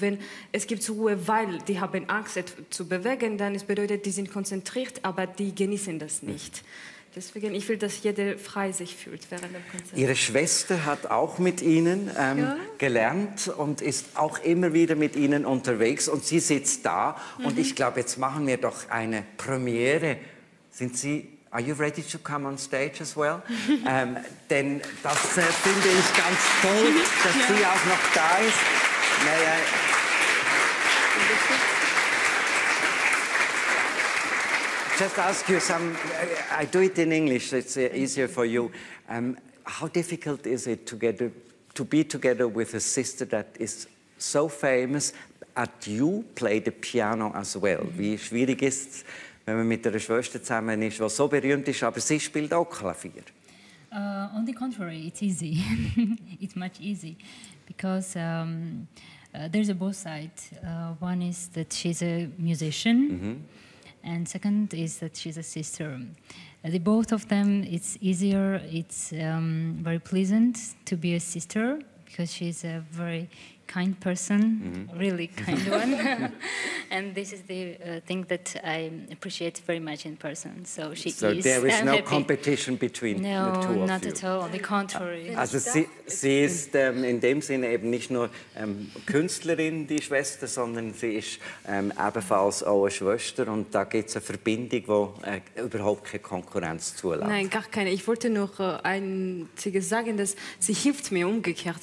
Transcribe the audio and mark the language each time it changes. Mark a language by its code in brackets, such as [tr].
[de] Wenn es gibt Ruhe, weil die haben Angst zu bewegen, dann es bedeutet, die sind konzentriert, aber die genießen das nicht. Deswegen, ich will, dass jeder frei sich fühlt während dem Konzert. Ihre Schwester hat auch mit Ihnen gelernt und ist auch immer wieder mit Ihnen unterwegs und sie sitzt da und ich glaube, jetzt machen wir doch eine Premiere. Sind Sie, [en] are you ready to come on stage as well? [de] denn das finde ich ganz toll, dass sie auch noch da ist. Naja. [en] Just ask you some, I do it in English, it's easier for you. How difficult is it to be together with a sister that is so famous, and you play the piano as well? Wie schwierig ist es, wenn man mit einer Schwester zusammen ist, die so berühmt ist, aber sie spielt auch Klavier. On the contrary, it's easy. It's much easy. Because there's a both side. One is that she's a musician. And second is that she's a sister. The both of them, it's easier. It's very pleasant to be a sister because she's a very kind person, really kind one. And this is the thing that I appreciate very much in person. So she so is. There is no happy. Competition between no, the two of you. No, not at all. On the contrary. [de] Also sie ist in dem Sinne eben nicht nur Künstlerin, die Schwester, sondern sie ist ebenfalls auch eine Schwester. Und da gibt es eine Verbindung, die überhaupt keine Konkurrenz zulässt. Nein, gar keine. Ich wollte noch einziges sagen, dass sie hilft mir umgekehrt.